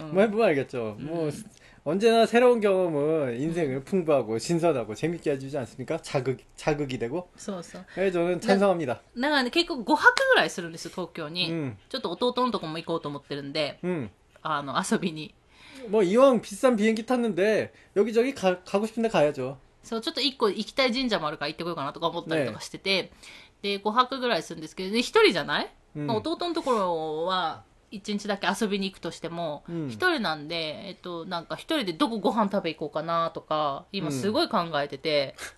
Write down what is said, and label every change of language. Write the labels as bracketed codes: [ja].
[ja] もう一回 [ko] 알겠죠。もう、언제나새로운경험은인생을풍부하고、신선하고、재밌게해주지않습니까? 자극、자극이되고。 [ja] そうそう。 [ko] え、저는찬성합니다。 [ja] だから結構5泊ぐらいするんですよ、東京に。ちょっと弟のとこも行こうと思ってるんで、あの、遊びに。 [ko] 뭐이왕비싼비행기탔는데여기저기 가고싶은데가야죠 [ja] そうちょっと1個行きたい神社もあるから行ってこようかなとか思ったりとかしてて、ね、で5泊ぐらいするんですけど1人じゃない、弟のところは1日だけ遊びに行くとしても、1人なんで、なんか1人でどこご飯食べ行こうかなとか今すごい考えてて